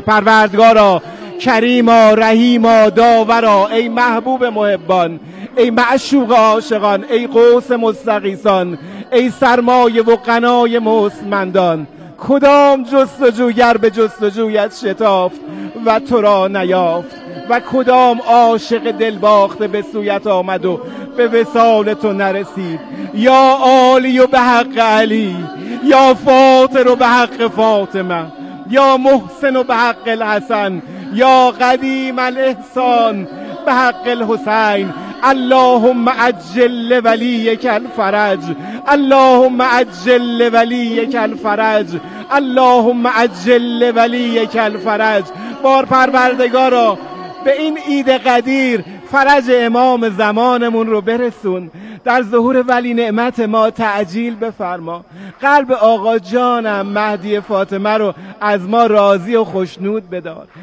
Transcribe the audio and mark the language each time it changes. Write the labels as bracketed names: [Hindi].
[Persian] پروردگارا، کریما، رحیما، داورا، ای محبوب محبان، ای معشوق عاشقان، ای قوس مستغیثان، ای سرمایه و غنای مستمندان، کدام جستجوگر به جستجویت شتافت و تو را نیافت و کدام عاشق دل باخته به سویت آمد و به وصال تو نرسید. یا عالی و به حق علی، یا فاطر و به حق فاطمه، یا محسن و به حق الحسن، یا قدیم الاحسان به حق الحسین. [Arabic] اللهم عجل لولیک الفرج، اللهم عجل لولیک الفرج، اللهم عجل لولیک الفرج. [Persian] بار پروردگارا به این عید قدیر فرج امام زمانمون رو برسون. در ظهور ولی نعمت ما تعجیل بفرما. قلب آقا جانم مهدی فاطمه رو از ما راضی و خوشنود بدار.